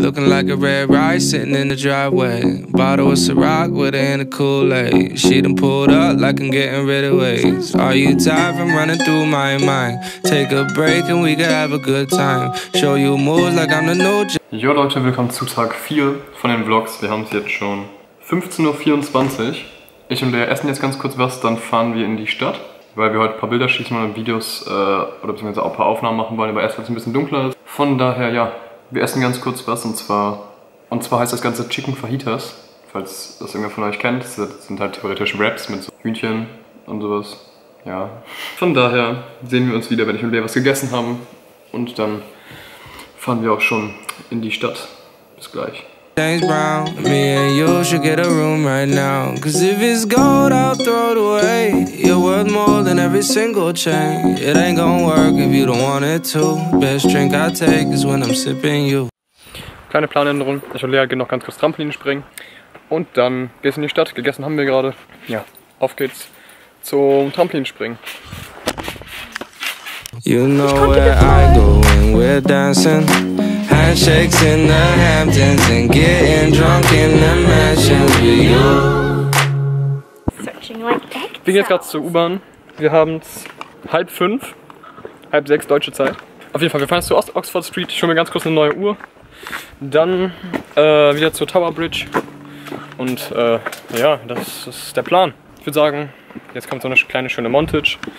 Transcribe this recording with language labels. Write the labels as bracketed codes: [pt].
[en] Looking like a red rice sitting in the driveway. Bottle of Ciroc with her in the Kool-Aid. She done pulled up like I'm getting rid of waves. Are you tired from running through my mind? Take a break and we could have a good time. Show you moves like I'm the new [de] Yo Leute, willkommen zu Tag 4 von den Vlogs. Wir haben es jetzt schon 15.24 Uhr. Ich und Lea essen jetzt ganz kurz was, dann fahren wir in die Stadt. Weil wir heute ein paar Bilder schießen wollen und Videos oder beziehungsweise auch ein paar Aufnahmen machen wollen, aber erst, weil es ein bisschen dunkler ist. Von daher, ja, wir essen ganz kurz was und zwar heißt das Ganze Chicken Fajitas, falls das irgendwer von euch kennt. Das sind halt theoretisch Wraps mit so Hühnchen und sowas, ja. Von daher sehen wir uns wieder, wenn ich und Lea was gegessen haben und dann fahren wir auch schon in die Stadt. Bis gleich. [en] James Brown, me and you should get a room right now. Cause if it's gold, I'll throw it away. You're worth more than every single chain. It ain't gonna work if you don't want it to. Best drink I take is when I'm sipping you. [de] Kleine Planänderung. Ich und Lea gehen noch ganz kurz Trampolin springen. Und dann geht's in die Stadt. Gegessen haben wir gerade. Ja, auf geht's zum Trampolin springen. [en] You know where I go when we're dancing. Handshakes in the Hamptons and getting drunk in the mansions with you. [de] Wir gehen jetzt gerade zur U-Bahn. Wir haben es 5:30, 5:30 deutsche Zeit. Auf jeden Fall, wir fahren jetzt zur Oxford Street. Ich hole mir ganz kurz eine neue Uhr. Dann wieder zur Tower Bridge. Und ja, das ist der Plan. Ich würde sagen, jetzt kommt so eine kleine schöne Montage.